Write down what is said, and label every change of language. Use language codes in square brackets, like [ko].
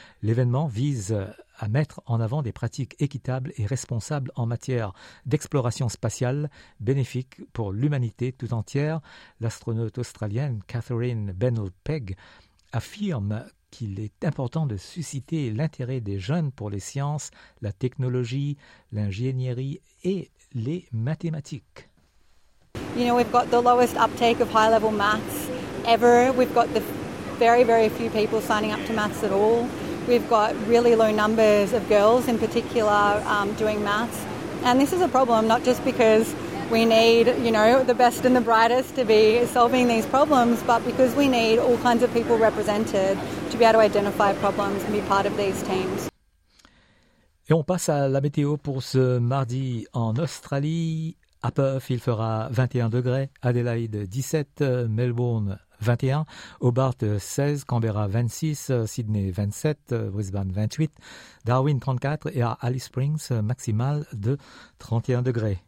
[fr] L'événement vise à mettre en avant des pratiques équitables et responsables en matière d'exploration spatiale, bénéfiques pour l'humanité tout entière. L'astronaute australienne Catherine Bennell-Pegg affirme qu'il est important de susciter l'intérêt des jeunes pour les sciences, la technologie, l'ingénierie et les mathématiques. [en] You know, we've got the lowest uptake of high-level maths ever. We've got the very, very few people signing up to maths at all. We've got really low numbers of girls in particular doing maths. And this is a problem, not just because we need, you know, the best and the brightest to be solving these problems, but because we need all kinds of people represented to be able to identify problems and be part of these teams. [fr] Et on passe à la météo pour ce mardi en Australie. À Perth, il fera 21 degrés. Adelaide, 17. Melbourne, 21, Hobart 16, Canberra 26, Sydney 27, Brisbane 28, Darwin 34 et à Alice Springs maximal de 31 degrés.